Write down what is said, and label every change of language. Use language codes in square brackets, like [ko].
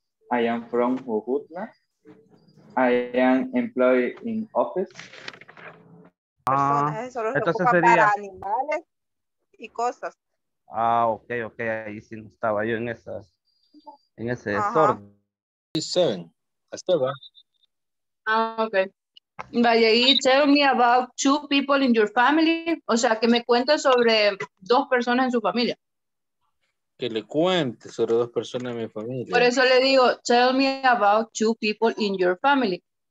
[en] I am from Jujutla. I am employed in office. [es] Entonces sería para animales y cosas. [en] Ah, okay, okay. [es] Ahí sí no estaba yo en esas, en ese desorden. [en] Ah, okay. [es] Vaya, y [en] tell me about two people in your family. [es] O sea, que me cuente sobre dos personas en su familia. Que le cuente sobre dos personas en mi familia. Por eso le digo, [en] tell me about two people in your family.